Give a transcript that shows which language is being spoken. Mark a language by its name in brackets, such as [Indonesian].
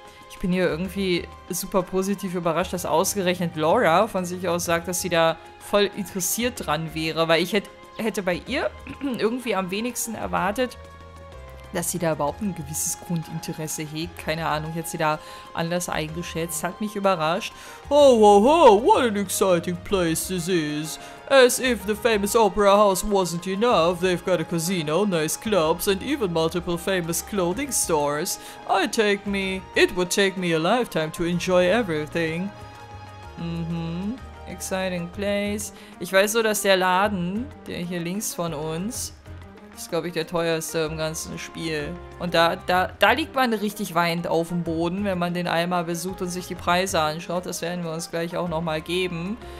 [German] Ich bin hier irgendwie super positiv überrascht, dass ausgerechnet Laura von sich aus sagt, dass sie da voll interessiert dran wäre, weil ich hätte bei ihr irgendwie am wenigsten erwartet, dass sie da überhaupt ein gewisses Grundinteresse hegt. Keine Ahnung, hat sie da anders eingeschätzt, hat mich überrascht. [English] Oh, oh, oh, what an exciting place this is. As if the famous opera house wasn't enough, they've got a casino, nice clubs and even multiple famous clothing stores. It would take me a lifetime to enjoy everything. Mhm, exciting place. [German] Ich weiß nur, dass der Laden, der hier links von uns, ist, glaube ich, der teuerste im ganzen Spiel. Und da liegt man richtig weinend auf dem Boden, wenn man den einmal besucht und sich die Preise anschaut. Das werden wir uns gleich auch nochmal geben.